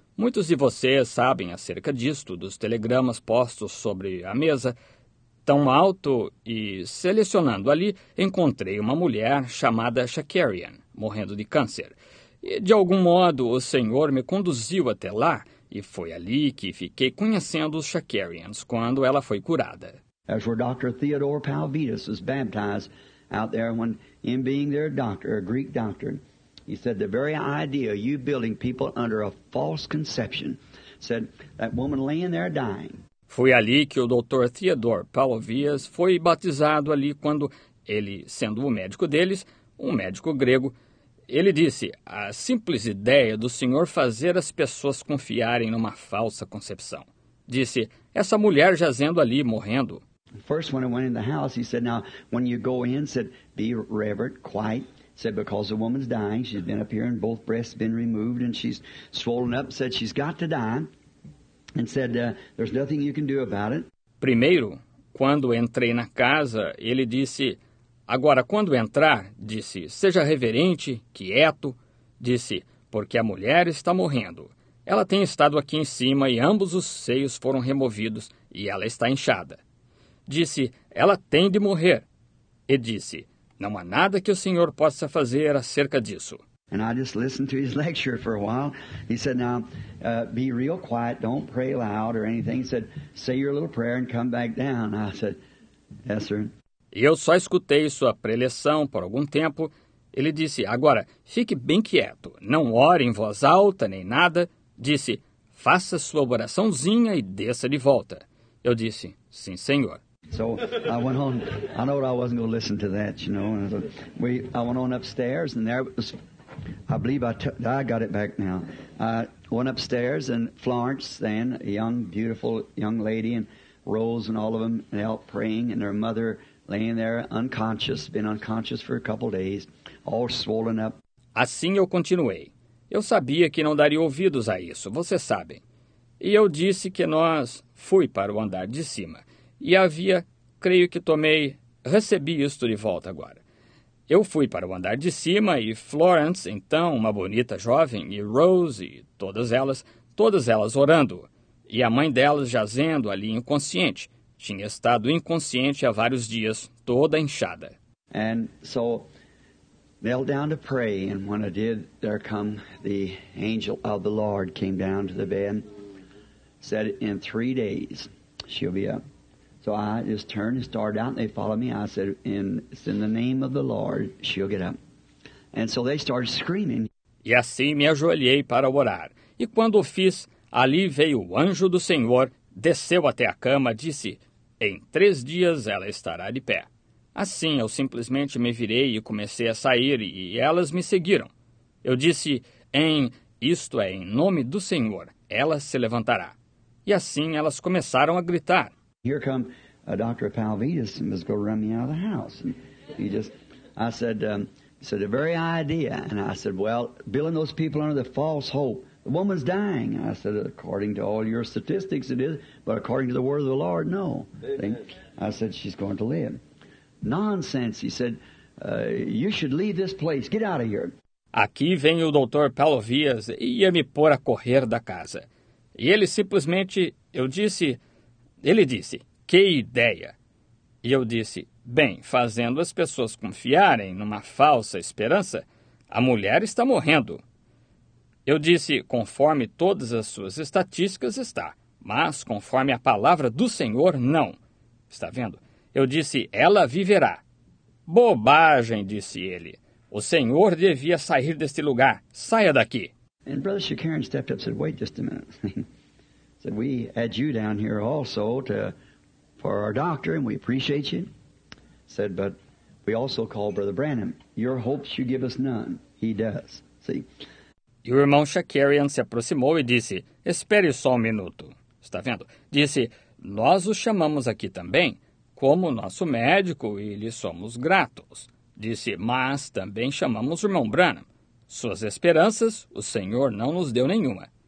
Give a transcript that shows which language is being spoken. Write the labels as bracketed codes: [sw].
[pt] Muitos de vocês sabem acerca disto, dos telegramas postos sobre a mesa, tão alto, e selecionando ali, encontrei uma mulher chamada Shakarian, morrendo de câncer. E, de algum modo, o Senhor me conduziu até lá, e foi ali que fiquei conhecendo os Shakarians, quando ela foi curada. [en] As where Dr. Theodore Palvitas was baptized out there when, in being their doctor, a Greek doctor, he said, the very idea of you building people under a false conception, said, that woman laying there dying. [pt] Foi ali que o Dr. Theodore Palvitas foi batizado ali quando ele, sendo o médico deles, um médico grego, ele disse, a simples ideia do Senhor fazer as pessoas confiarem numa falsa concepção. Disse, essa mulher jazendo ali, morrendo. [en] First when I went in the house, he said, now, when you go in, said, be reverent, quiet, said, because the woman's dying, she's been up here and both breasts been removed and she's swollen up, said, she's got to die, and said, there's nothing you can do about it. [pt] Primeiro, quando entrei na casa, ele disse, agora, quando entrar, disse, seja reverente, quieto, disse, porque a mulher está morrendo. Ela tem estado aqui em cima e ambos os seios foram removidos e ela está inchada. Disse, ela tem de morrer. E disse, não há nada que o Senhor possa fazer acerca disso. [en] And I just listened to his lecture for a while. He said, now, be real quiet, don't pray loud or anything. He said, say your little prayer and come back down. I said, yes, sir. [pt] E eu só escutei sua preleção por algum tempo. Ele disse, agora, fique bem quieto, não ore em voz alta nem nada. Disse, faça sua oraçãozinha e desça de volta. Eu disse, sim, senhor. [en] So I went on. I know I wasn't going to listen to that, you know. And I went on upstairs, and there was. I believe I got it back now. I went upstairs, and Florence, then a young, beautiful young lady, and Rose, and all of them, and out praying, and their mother laying there unconscious, been unconscious for a couple of days, all swollen up. [pt] Assim eu continuei. Eu sabia que não daria ouvidos a isso. Vocês sabem. E eu disse que nós fui para o andar de cima. E havia, creio que tomei, recebi isto de volta agora. Eu fui para o andar de cima e Florence, então, uma bonita jovem, e Rose, e todas elas orando. E a mãe delas jazendo ali inconsciente. Tinha estado inconsciente há vários dias, toda inchada. [en] And so, knelt down to pray, and when I did, there come the angel of the Lord came down to the bed, said, in 3 days, she'll be up. So I just turned and started out, and they followed me. I said, it's in the name of the Lord, she'll get up. And so they started screaming. [pt] E assim me ajoelhei para orar. E quando o fiz, ali veio o anjo do Senhor, desceu até a cama, disse, em 3 dias ela estará de pé. Assim eu simplesmente me virei e comecei a sair, e elas me seguiram. Eu disse, em nome do Senhor, ela se levantará. E assim elas começaram a gritar. [en] Here come Dr. Palvitas and was going to run me out of the house. And he just, I said, the very idea. And I said, well, billing those people under the false hope. The woman's dying. And I said, according to all your statistics, it is. But according to the word of the Lord, no. I said, she's going to live. Nonsense. He said, You should leave this place. Get out of here. [pt] Aqui vem o Dr. Paulo Vias e ia me pôr a correr da casa. E ele simplesmente, ele disse, que ideia. E eu disse, bem, fazendo as pessoas confiarem numa falsa esperança, a mulher está morrendo. Eu disse, conforme todas as suas estatísticas está, mas conforme a palavra do Senhor, não. Está vendo? Eu disse, ela viverá. Bobagem, disse ele. O Senhor devia sair deste lugar. Saia daqui. [en] And Brother Shakarin stepped up and said, wait just a minute. Said, we had you down here also for our doctor, and we appreciate you. Said, but we also call Brother Branham. Your hopes you give us none. He does. See? [pt] E o irmão Shakarian se aproximou e disse, espere só um minuto. Está vendo? Disse, nós o chamamos aqui também como nosso médico e lhe somos gratos. Disse, mas também chamamos o irmão Branham. Suas esperanças, o Senhor não nos deu nenhuma.